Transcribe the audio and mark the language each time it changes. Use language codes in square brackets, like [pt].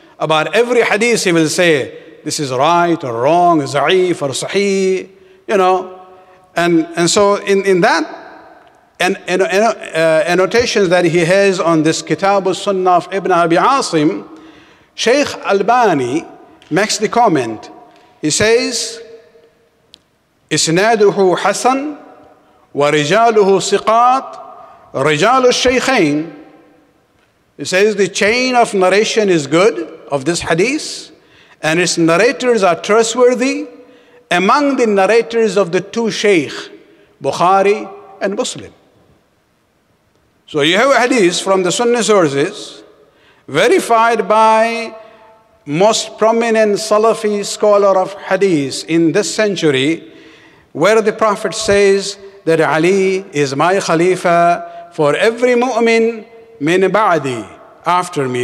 [en] About every hadith he will say, this is right or wrong, za'if or sahih, you know. And so in that, And annotations that he has on this Kitab al-Sunnah of Ibn Abi Asim, Sheikh Albani makes the comment. [ar] He says, إسناده حسن ورجاله ثقات رجال الشيخين. [en] He says the chain of narration is good of this hadith, and its narrators are trustworthy among the narrators of the two sheikh, Bukhari and Muslim. So you have a hadith from the Sunni sources, verified by most prominent Salafi scholar of hadith in this century, where the Prophet says that Ali is my Khalifa for every mu'min [ar] min ba'di, [en] after me.